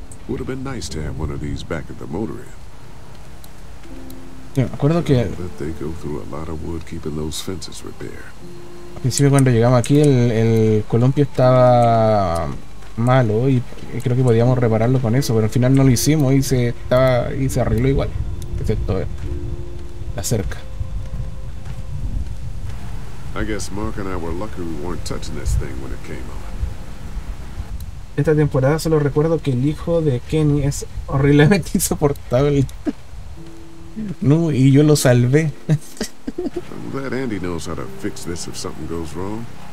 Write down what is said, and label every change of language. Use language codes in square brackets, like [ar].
[en] Would have been nice to have one of these back at the motor inn. [es] Yo me acuerdo que [en] they go through a lot of wood keeping those fences repaired. [es] Al principio, cuando llegamos aquí, el columpio estaba malo y creo que podíamos repararlo con eso, pero al final no lo hicimos y se arregló igual, excepto la cerca. [en] I guess Mark and I were lucky we weren't touching this thing when it came on. [es] Esta temporada solo recuerdo que el hijo de Kenny es horriblemente insoportable. No, y yo lo salvé. [en] I'm glad Andy knows how to fix this if something goes wrong.